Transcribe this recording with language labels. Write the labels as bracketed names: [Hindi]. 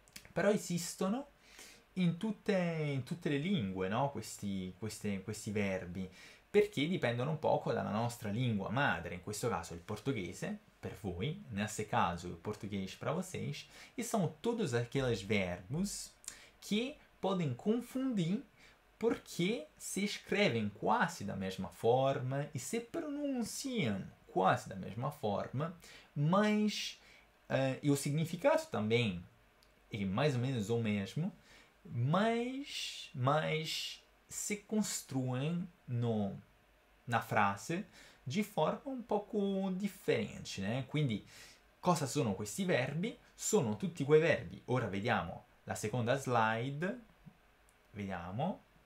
[Italian] però esistono in tutte le lingue, no, questi verbi, perché dipendono un poco dalla nostra lingua madre, in questo caso il portoghese, per voi, [Portuguese] nesse caso il portoghese para vocês, e são todos aqueles verbos que podem confundir. Porque se escrevem quase da mesma forma e se pronunciam quase da mesma forma, mas e o significado também é mais ou menos o mesmo, mas se construem no, na frase de forma um pouco diferente, né? [Italian] Quindi, cosa sono questi verbi? Sono tutti quei verbi. Ora vediamo la seconda slide. Vediamo.